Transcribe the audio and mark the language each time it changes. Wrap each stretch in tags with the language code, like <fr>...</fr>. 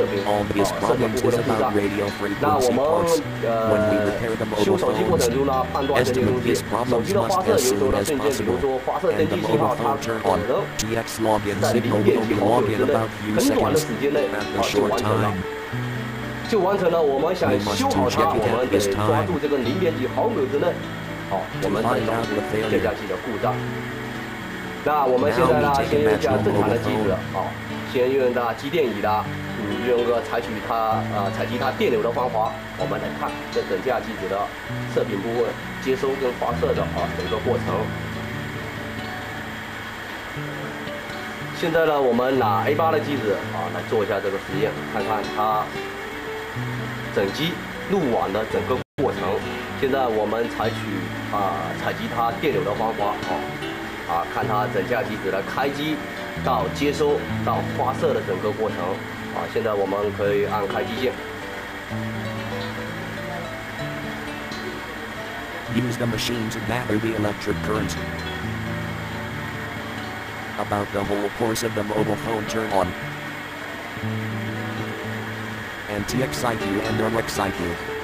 <en>All these problems is about radio frequency parts. When we repair the mobile phones, estimate these problems must as soon as possible. And the mobile phone turn on. TX login signal will be login about few seconds. At the short time.</en> <zh>就完成了，我们想修好它，我们得抓住这个零点几毫秒之内，好，我们再找出这架机的故障。那我们现在呢，先用一下正常的机子，好，先用它机电仪的，用个采取它采集它电流的方法，我们来看这整架机子的射频部分接收跟发射的整个过程。现在呢，我们拿 A8 的机子来做一下这个实验，看看它整机路网的整个过程。现在我们采取采集它电流的方法看它整架机子的开机到接收到发射的整个过程现在我们可以按开机键。</zh> <en>Use the machine to gather the electric current. About the whole course of the mobile phone turn on. And TXIQ and RXIQ.</en>